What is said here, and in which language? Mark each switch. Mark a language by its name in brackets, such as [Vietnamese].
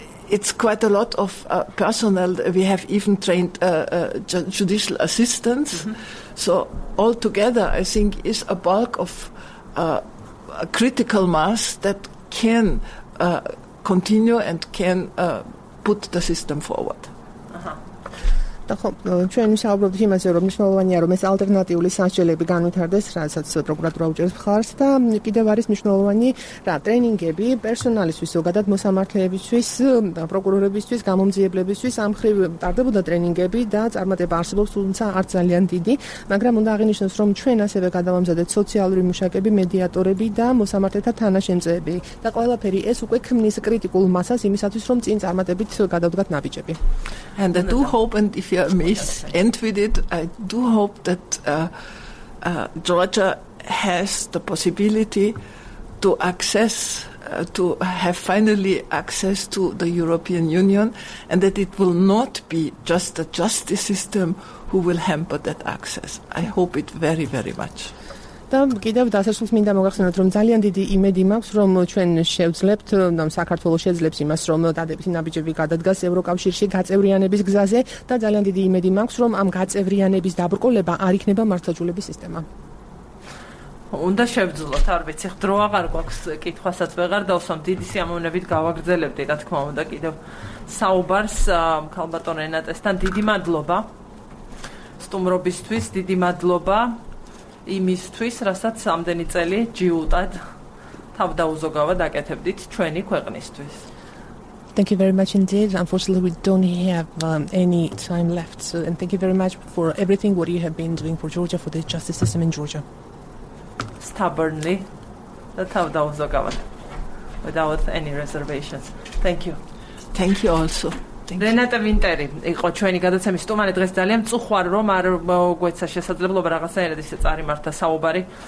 [English] It's quite a lot of personnel. We have even trained judicial assistants. Mm-hmm. So all together, I think, is a bulk of a critical mass that can continue and can put the system forward. [Georgian] ხო, ჩვენ ვისაუბრებთ იმაზე, რომ მნიშვნელოვანია, რომ ეს ალტერნატიული სასჯელები განვითარდეს, რასაც პროკურატურა უჭერს მხარს და კიდევ არის მნიშვნელოვანი რა, ტრენინგები პერსონალისთვის, ზოგადად მოსამართლეებისთვის, პროკურორებისთვის, გამომძიებლებისთვის, ამხრივ ტარდებოდა ტრენინგები და წარმატება არსებობს, თუმცა არ ძალიან დიდი, მაგრამ უნდა აღინიშნოს, რომ ჩვენ ასევე გადავამზადეთ სოციალური მუშაკები, მედიატორები და მოსამართლეთა თანაშემწეები და ყველაფერი ეს უკვე ქმნის კრიტიკულ მასას იმისათვის, რომ წინ წარმატებით გადავდგათ ნაბიჯები. [English] And I do hope, and if you may end with it, I do hope that Georgia has the possibility to access, to have finally access to the European Union, and that it will not be just the justice system who will hamper that access. I hope it very, very much. [Georgian] და კიდევ დასასრულს მინდა მოგახსენოთ, რომ ძალიან დიდი იმედი მაქვს, რომ ჩვენ შევძლებთ, რომ საქართველოს შეძლებს იმას, რომ დადებითი ნაბიჯები გადადგას ევროკავშირში გაწევრიანების გზაზე და ძალიან დიდი იმედი მაქვს, რომ ამ გაწევრიანების დაბრკოლება არ იქნება მართლაჯულების სისტემა. უნდა შევძლოთ, არ ვიცი, დრო აღარ გვაქვს, კითხვასაც ვეღარ დავსვამ, დიდი სიამოვნებით გავაგრძელებდი, რა თქმა უნდა, კიდევ საუბარს ქალბატონ ენატესთან. დიდი მადლობა სტუმრობისთვის, დიდი მადლობა იმისთვის, რასაც ამდენი წელი ჯიუტად თავდაუზოგავად აკეთებდით ჩვენი ქვეყნისთვის. [English] Thank you very much indeed. Unfortunately, we don't have any time left. So, and thank you very much for everything what you have been doing for Georgia, for the justice system in Georgia. Stubbornly, [Georgian] და თავდაუზოგავად. [English] Without any reservations. Thank you. Thank you also. [Georgian] Renata Vinteri, იყო ჩვენი გადაცემის სტუმარი დღეს. ძალიან მწუხარი რომ არ გვეცა შესაძლებლობა რაღაცნაირად ისე წარიმართა საუბარი.